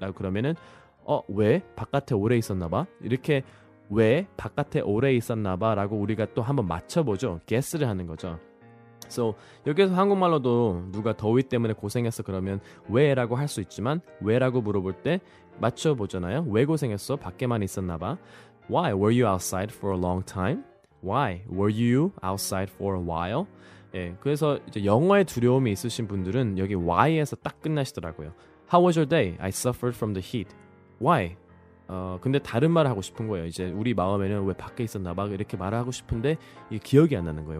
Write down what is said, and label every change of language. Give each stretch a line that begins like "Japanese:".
Korean: 라고 그러면은 왜? 바깥에 오래 있었나 봐? 이렇게 왜 바깥에 오래 있었나 봐 라고 우리가 또 한번 맞춰보죠. guess를 하는 거죠. So 여기에서 한국말로도 누가 더위 때문에 고생했어 그러면 왜 라고 할 수 있지만 왜 라고 물어볼 때 맞춰보잖아요. 왜 고생했어? 밖에만 있었나 봐.
English: Why were you outside for a long time? Why were you outside for a while?
Korean: 예, 그래서 이제 영어에 두려움이 있으신 분들은 여기 why에서 딱 끝나시더라고요.
English: How was your day? I suffered from the heat. Why?
Korean: 근데 다른 말을 하고 싶은 거예요. 이제 우리 마음에는 왜 밖에 있었나 봐 이렇게 말을 하고 싶은데 이게 기억이 안 나는 거예요.